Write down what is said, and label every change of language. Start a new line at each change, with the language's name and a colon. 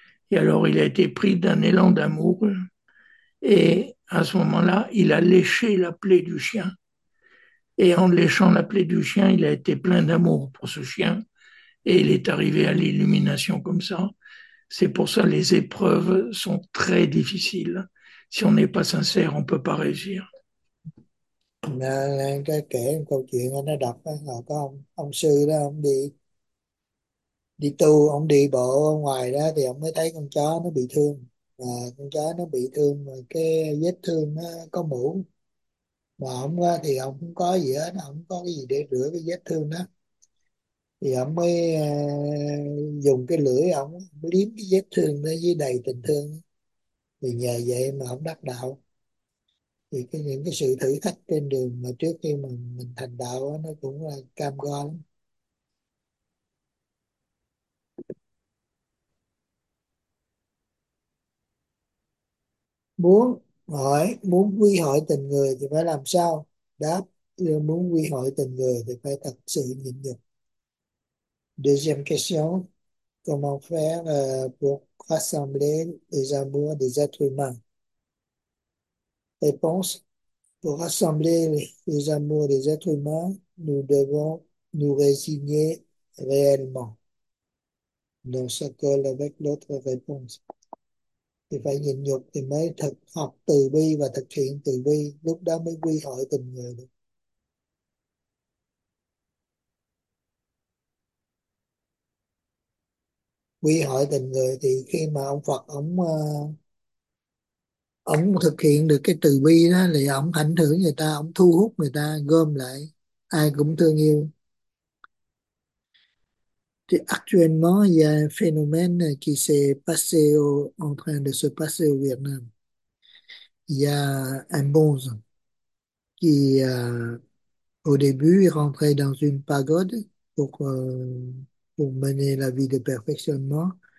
French: Et alors il a été pris d'un élan d'amour. Et à ce moment-là, il a léché la plaie du chien. Et en léchant la plaie du chien, il a été plein d'amour pour ce chien. Et il est arrivé à l'illumination comme ça. C'est pour ça que les épreuves sont très difficiles. Si on n'est pas sincère, on ne peut pas réussir.
Vietnamese: Lan cái kể một câu chuyện anh đã đọc đó, là có ông sư đó ông đi đi tu, ông đi bộ ở ngoài đó thì ông mới thấy con chó nó bị thương, và con chó nó bị thương rồi cái vết thương nó có mủ, mà ông thì ông không có gì hết, ông không có cái gì để rửa cái vết thương đó, thì ông mới dùng cái lưỡi ông liếm cái vết thương nó với đầy tình thương, thì nhờ vậy mà ông đắc đạo. Thì cái những cái sự thử thách trên đường mà trước khi mà mình thành đạo đó, nó cũng là cam go lắm. Muốn quy hội tình người thì phải làm sao? Đáp, muốn quy hội tình người thì phải thật sự nhịn nhục.
French: Deuxième question, comment faire pour rassembler les amours des êtres humains? Réponse, pour rassembler les amours des êtres humains, nous devons nous résigner réellement. Donc, ça colle avec l'autre réponse. Il
Vietnamese: phải nhịn nhục thì mới thực học từ bi và thực hiện từ bi, lúc đó mới quy hội tình người được. Quy hội tình người thì khi mà ông Phật ông thực hiện được cái từ bi đó thì ông ảnh hưởng người ta, ông thu hút người ta gom lại, ai cũng thương yêu. Thì
French: actuellement il y a un phénomène qui s'est passé en train de se passer au Việt Nam. Il y a un bonze qui au début est rentré dans une pagode pour mener la vie de perfectionnement.